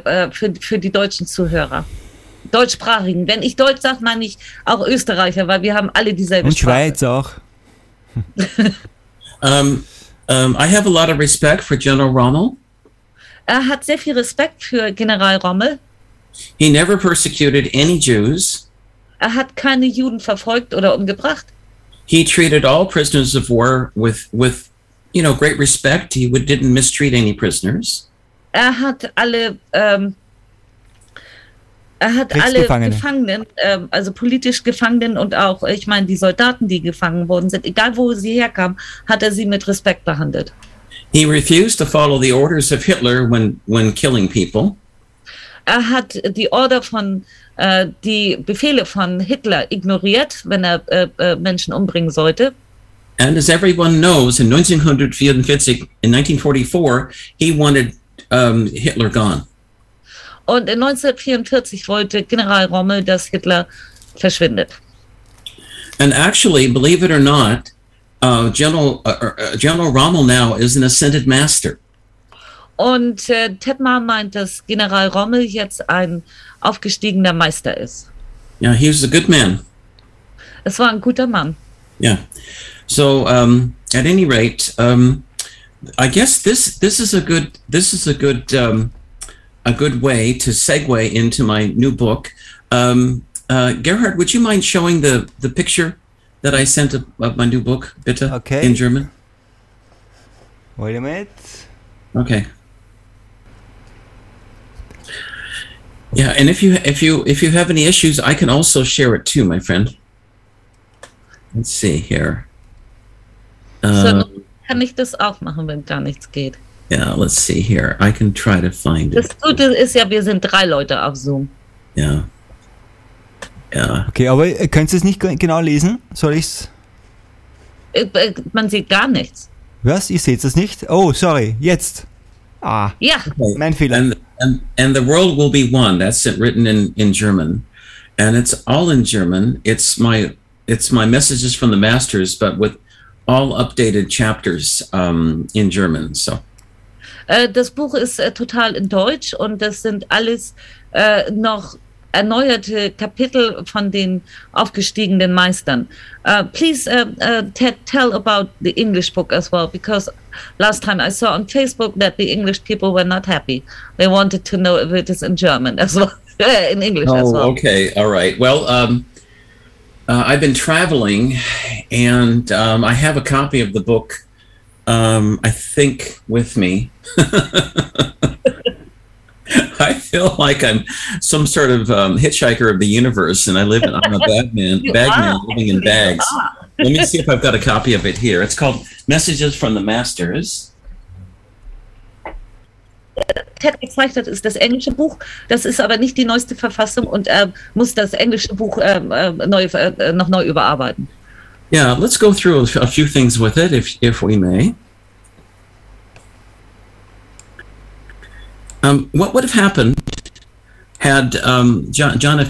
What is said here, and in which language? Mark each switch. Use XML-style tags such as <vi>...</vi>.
<de>Für die deutschen Zuhörer, deutschsprachigen. Wenn ich Deutsch sage, meine ich auch Österreicher, weil wir haben alle dieselbe Und Sprache. Und Schweiz auch.</de> <en>I have a lot of respect for General Rommel.</en> <de>Er hat sehr viel Respekt für General Rommel.</de> <en>He never persecuted any Jews.</en> <de>Er hat keine Juden verfolgt oder umgebracht.</de> <en>He treated all prisoners of war with you know, great respect. He didn't mistreat any prisoners.</en> <de>Er hat alle Gefangenen, also politisch Gefangenen und auch, ich meine, die Soldaten, die gefangen worden sind, egal wo sie herkamen, hat er sie mit Respekt behandelt.</de> <en>He refused to follow the orders of Hitler when killing people.</en> <de>Er hat die Order von die Befehle von Hitler ignoriert, wenn er Menschen umbringen sollte.</de> <en>And as everyone knows, in 1944, he wanted Hitler gone.</en> <de>Und in 1944 wollte General Rommel, dass Hitler verschwindet.</de> <en>And actually, believe it or not, General Rommel now is an ascended master.</en> <de>Und Ted Mahr meint, dass General Rommel jetzt ein aufgestiegener Meister ist.</de> <en>Yeah, he was a good man.</en> <de>Es war ein guter Mann.</de> <en>Yeah. So at any rate, I guess this is a good way to segue into my new book. Gerhard, would you mind showing the picture that I sent of my new book, bitte, okay, in German? Wait a minute. Okay. Yeah, and if you have any issues, I can also share it too, my friend. Let's see here.</en> <de>So, kann ich das auch machen, wenn gar nichts geht?</de> <en>Yeah, let's see here. I can try to find</en> <de>das</de> <en>it.</en> <de>Das Gute ist ja, wir sind drei Leute auf Zoom.</de> <en>Yeah. Yeah.</en> <de>Okay, aber könntest du es nicht genau lesen? Soll ich's? Man sieht gar nichts. Was? Ihr seht es nicht? Oh, sorry. Jetzt. Ah. Ja. Okay. Mein Fehler.</de> <en>And the world will be one. That's written in German. And it's all in German. It's my messages from the masters, but with all updated chapters in German. So.</en> <de>Das Buch ist total in Deutsch und das sind alles noch erneuerte Kapitel von den aufgestiegenen Meistern.</de> <en>Please, Ted, tell about the English book as well, because Last time I saw on Facebook that the English people were not happy. They wanted to know if it is in German as well, in English as well. Oh, okay. All right. Well, I've been traveling, and I have a copy of the book, I think, with me. I feel like I'm some sort of hitchhiker of the universe, and I live in, I'm a bagman living in bags. Let me see if I've got a copy of it here. It's called Messages from the Masters.</en> <de>Ted gezeigt hat, ist das englische Buch. Das ist aber nicht die neueste Verfassung und muss das englische Buch noch neu überarbeiten.</de> <en>Yeah, let's go through a few things with it, if we may. What would have happened had John F.</en>